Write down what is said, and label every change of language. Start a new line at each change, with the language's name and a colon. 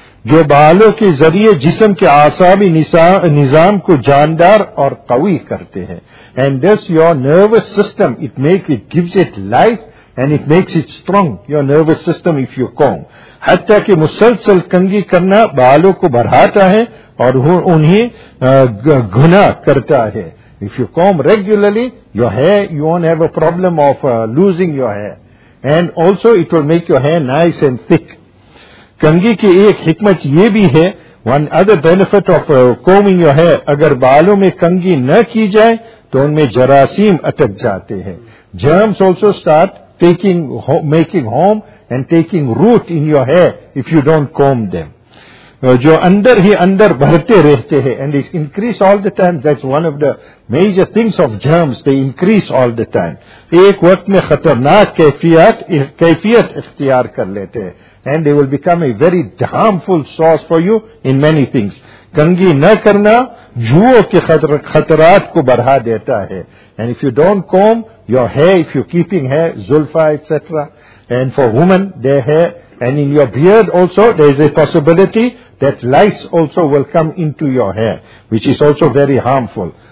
Urdu: جو بالوں کے ذریعے جسم کے اعصابی نظام کو جاندار اور قوی کرتے ہیں.
English: And thus your nervous system, it gives it life and it makes it strong, your nervous system if you comb.
Urdu: حتیٰ کہ مسلسل کنگی کرنا بالوں کو بڑھاتا ہے اور انہیں گھنا کرتا ہے.
English: If you comb regularly, your hair, you won't have a problem of losing your hair. And also it will make your hair nice and thick.
Urdu: کنگی کی ایک حکمت یہ بھی ہے,
English: one other benefit of combing your hair,
Urdu: اگر بالوں میں کنگی نہ کی جائے تو ان میں جراثیم اٹک جاتے ہیں.
English: Germs also start making home and taking root in your hair if you don't comb them.
Urdu: جو اندر ہی اندر بڑھتے رہتے ہیں,
English: and it increase all the time, that's one of the major things of germs, they increase all the time.
Urdu: ایک وقت میں خطرناک کیفیت اختیار کر لیتے ہیں.
English: And they will become a very harmful source for you in many things.
Urdu: Kangi na karna, juo ke khatrat ko barha deta hai.
English: And if you don't comb your hair, if you're keeping hair, zulfa, etc. And for women, their hair, and in your beard also, there is a possibility that lice also will come into your hair, which is also very harmful.